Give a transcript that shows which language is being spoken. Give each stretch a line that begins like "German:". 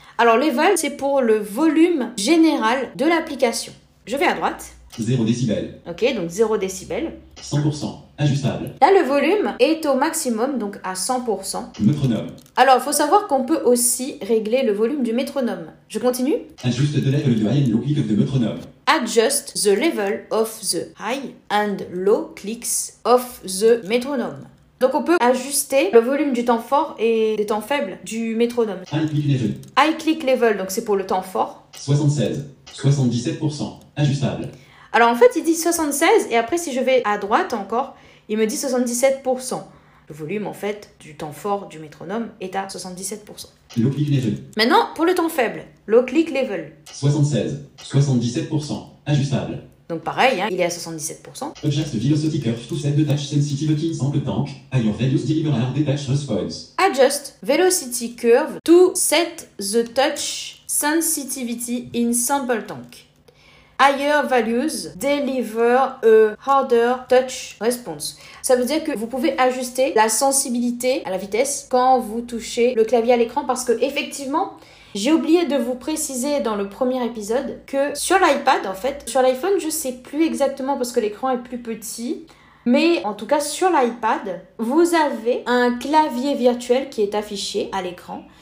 French: Alors Level, c'est pour le volume général de l'application. Je vais à droite. 0 décibels. Ok, donc 0 décibels. 100% ajustable. Là, le volume est au maximum, donc à 100%. Métronome. Alors, faut savoir qu'on peut aussi régler le volume du métronome. Je continue.
English: Adjust the level of the high and low click of the metronome. Adjust the level of the high and low clicks of the metronome.
French: Donc, on peut ajuster le volume du temps fort et des temps faibles du métronome.
English: High click level.
French: High click level, donc c'est pour le temps fort. 76. 77% ajustable. Alors en fait, il dit 76 et après, si je vais à droite encore, il me dit 77%. Le volume, en fait, du temps fort du métronome est à 77%.
English: Low click level.
French: Maintenant, pour le temps faible, low click level. 76, 77% ajustable. Donc pareil, hein, il est à 77%.
English: Adjust velocity curve to set the touch sensitivity in sample tank at your values deliver a detached response. Adjust velocity curve to set the touch sensitivity in sample tank. Higher values deliver a harder touch response.
French: Ça veut dire que vous pouvez ajuster la sensibilité à la vitesse quand vous touchez le clavier à l'écran parce que effectivement, j'ai oublié de vous préciser dans le premier épisode que sur l'iPad, en fait, sur l'iPhone, je sais plus exactement parce que l'écran est plus petit, mais en tout cas sur l'iPad, vous avez un clavier virtuel qui est affiché à l'écran.